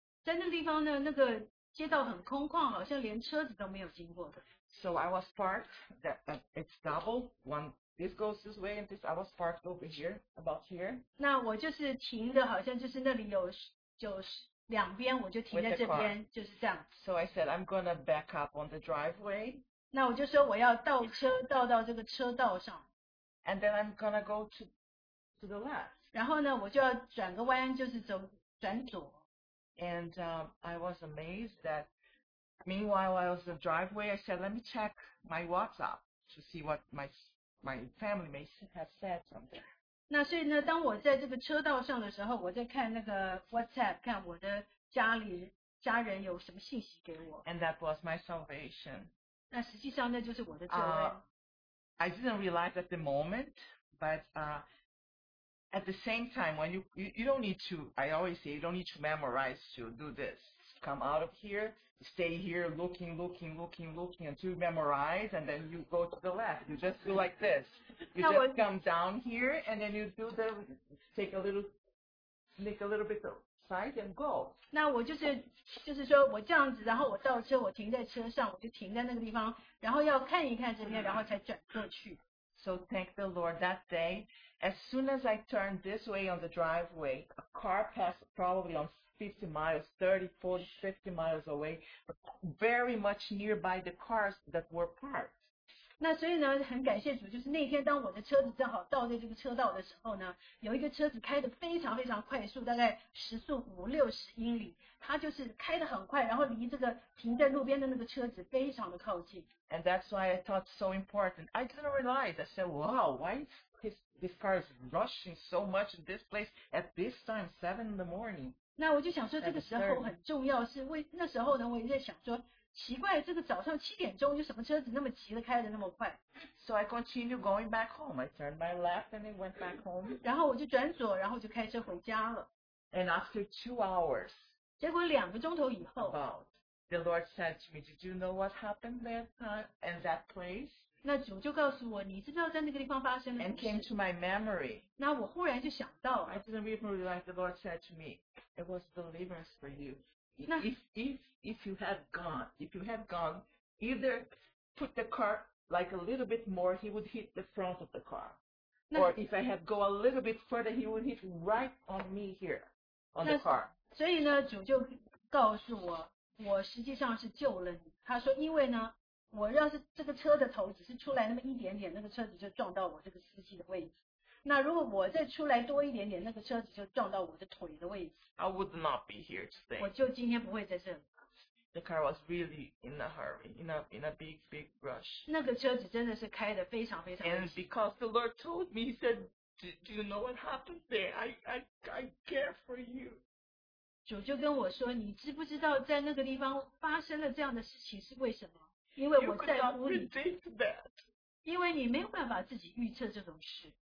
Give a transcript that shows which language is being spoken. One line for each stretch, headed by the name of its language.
Chinese: 在那地方呢，那个街道很空旷，好像连车子都没有经过的。
English: So I was parked. That it's double. One this goes this way, and this I was parked over here, about here.
Chinese: 那我就是停的，好像就是那里有两边，我就停在这边，就是这样。
English: So I said I'm gonna back up on the driveway.
Chinese: 那我就说我要倒车，倒到这个车道上。
English: And then I'm gonna go to the left.
Chinese: 然后呢，我就要转个弯，就是转左。
English: And I was amazed that meanwhile I was in the driveway, I said, let me check my WhatsApp to see what my family may have said something.
Chinese: 那所以呢，当我在这个车道上的时候，我在看那个 WhatsApp， 看我的家人有什么信息给我。
English: And that was my salvation.
Chinese: 那实际上那就是我的救恩。
English: I didn't realize at the moment, but at the same time, when you don't need to, I always say, you don't need to memorize to do this. Come out of here, stay here, looking, until you memorize, and then you go to the left. You just do like this. You just come down here, and then you do the, make a little bit of side and go.
Chinese: 那我就是说我这样子，然后我倒车，我停在车上，我就停在那个地方，然后要看一看这边，然后才转过去。
English: So thank the Lord that day. As soon as I turned this way on the driveway, a car passed probably on 50 miles, 30, 40, 50 miles away, very much nearby the cars that were parked.
Chinese: 那所以呢，很感谢主，就是那天当我的车子正好到在这个车道的时候呢，有一个车子开得非常非常快速，大概时速五六十英里，它就是开得很快，然后离这个停在路边的那个车子非常的靠近。
English: And that's why I thought so important. I didn't realize. I said, "Wow, why is this car is rushing so much in this place at this time, 7 a.m.?"
Chinese: 那我就想说，这个时候很重要，是为那时候呢，我也在想说。奇怪，这个早上七点钟，有什么车子那么急的开得那么快
English: ？So I continue going back home. I turned my left and I went back home.
Chinese: 然后我就转左，然后就开车回家了。
English: And after 2 hours,
Chinese: 结果两个钟头以后
English: ，About the Lord said to me, "Did you know what happened there in that place?"
Chinese: 那主就告诉我，你知道在那个地方发生了什么
English: ？And came to my memory.
Chinese: 那我忽然就想到
English: ，I didn't even realize the Lord said to me, "It was deliverance for you." If you had gone, either put the car like a little bit more, he would hit the front of the car. Or if I had go a little bit further, he would hit right on me here, on the car.
Chinese: 所以呢，主就告诉我，我实际上是救了你。他说，因为呢，我要是这个车的头只是出来那么一点点，那个车子就撞到我这个司机的位置。那如果我再出来多一点点，那个车子就撞到我的腿的位置。
English: I would not be here today.
Chinese: 我就今天不会在这里。
English: The car was really in a hurry, in a big rush.
Chinese: 那个车子真的是开得非常非常。
English: And because the Lord told me, He said, "Do you know what happened there? I care for you."
Chinese: 主就跟我说，你知不知道在那个地方发生了这样的事情是为什么？因为我在乎你。
English: You could not predict that.
Chinese: 因为你没有办法自己预测这种事。